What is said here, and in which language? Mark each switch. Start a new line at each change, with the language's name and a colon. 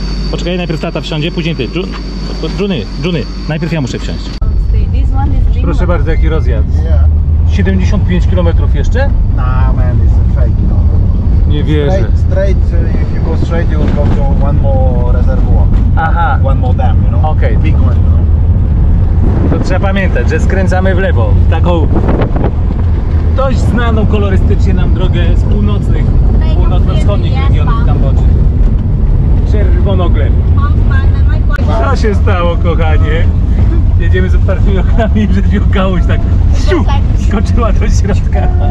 Polish: Poczekaj, najpierw tata wsiądzie, później ty. Juny, najpierw ja muszę wsiąść. Proszę bardzo, jaki rozjazd? 75 km jeszcze?
English: No, man, it's a fake, you know.
Polish: Nie wierzę.
English: Straight, if you go straight, you'll go to one more reservoir. Aha. One more dam, you know? Okay. Big one, you know?
Polish: To trzeba pamiętać, że skręcamy w lewo, w taką dość znaną kolorystycznie nam drogę z północnych, północno-wschodnich regionów Kambodży. Czerwonoglew. Co się stało, kochanie? Jedziemy z otwartymi oknami, że wziął kałuś tak skoczyła do środka.